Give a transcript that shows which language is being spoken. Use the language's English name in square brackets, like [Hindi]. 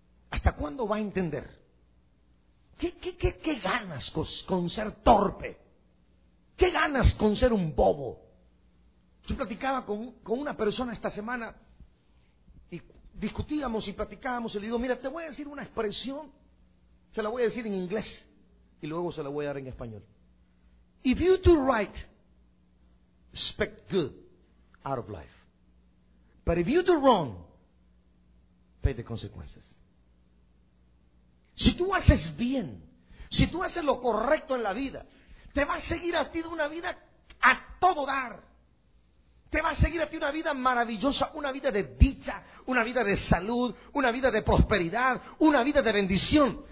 [Spanish] ¿Hasta cuándo va a entender? ¿Qué ganas con ser torpe? ¿Qué ganas con ser un bobo? Yo platicaba con una persona esta semana, y discutíamos y platicábamos, y le digo, mira, te voy a decir una expresión, se la voy a decir en inglés y luego se la voy a dar en español. [English] If you do right, expect good out of life. But if you do wrong, pay the consequences. [Spanish] Si tú haces bien, si tú haces lo correcto en la vida, te va a seguir a ti de una vida a todo dar. Te va a seguir a ti una vida maravillosa, una vida de dicha, una vida de salud, una vida de prosperidad, una vida de bendición.